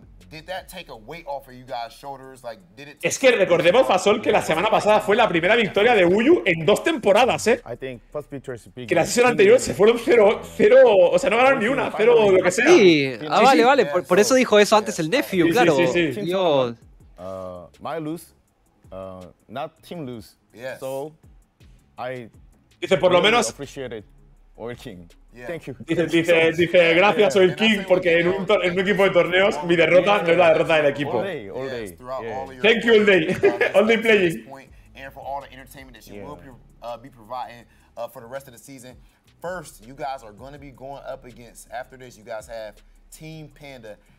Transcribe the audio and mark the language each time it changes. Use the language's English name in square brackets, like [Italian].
[English] Did that take a weight off of you guys' shoulders? Like, did it? [Spanish] Es que recordemos, Fasol, que la semana pasada fue la primera victoria de Uyu en dos temporadas, ¿eh? [English] I think first victory is big. [Spanish] Que la sesión anterior se fueron 0-0, o sea, no ganaron ni una, 0 lo que sea. Sí, ah, vale. Por eso dijo eso antes el nephew, claro. Sí. Dios. [English] My lose, not team lose. Yes. So, I. [Spanish] Dice por lo menos. [English] Oil King. Yeah. Thank you. [Spanish] Dice gracias, Oil King, porque en un equipo de torneos mi derrota no es la derrota del equipo. [English] All day. Thank you, all day. All day playing. And for all the entertainment that you will be providing for the rest of the season. First, you guys are going to be going up against, after this, you guys have Team Panda.